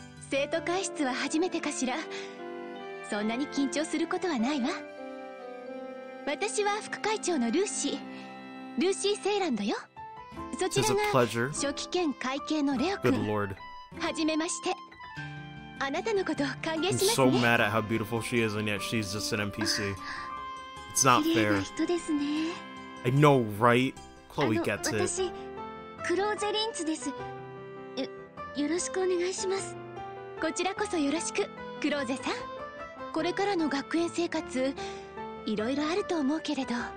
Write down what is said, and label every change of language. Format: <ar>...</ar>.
<ja>生徒会室は初めてかしら。そんなに緊張することはないわ。私は副会長のルーシー、ルーシー・セイランドよ。そちらが初期兼会計のレオ君。はじめまして。あなたのことを歓迎しますね。</ja> <en>I'm so mad at how beautiful she is, and yet she's just an NPC. It's not fair.</en> <ja>綺麗な人ですね。</ja> <en>I know, right? Chloe gets it.</en> <ja>私、クローゼリンツです。よろしくお願いします。こちらこそよろしく、クローゼさん。これからの学園生活、いろいろあると思うけれど。</ja>